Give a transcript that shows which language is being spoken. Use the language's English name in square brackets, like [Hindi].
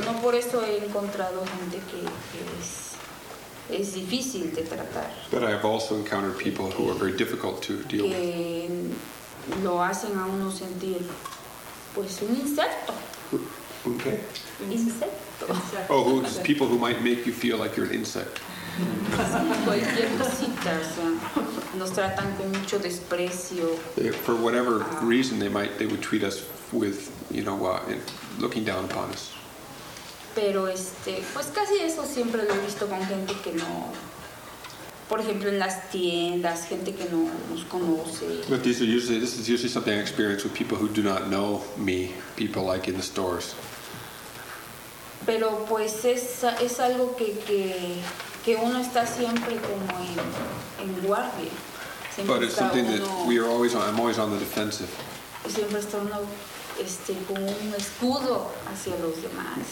[Spanish] Pero no por eso he encontrado gente que es difícil de tratar. [English] But I have also encountered people who are very difficult to deal [Spanish] que [English] with. [Spanish] Que lo hacen a uno sentir, pues, un insecto. [English] Okay. [Spanish] Insecto. [English] Oh, who's people who might make you feel like you're an insect. For whatever reason, they would treat us with, you know, looking down upon us. [Spanish] Pero pues casi eso siempre lo he visto con gente que no por ejemplo, en las tiendas, gente que no nos conoce. [English] But these are usually, this is usually something I experience with people who do not know me, people like in the stores. [Spanish] Pero pues es algo que uno está siempre como en guardia. Siempre [English] but it's something [Spanish] uno, [English] that we are always on, I'm always on the defensive. [Spanish] Siempre está uno, con un escudo hacia los demás.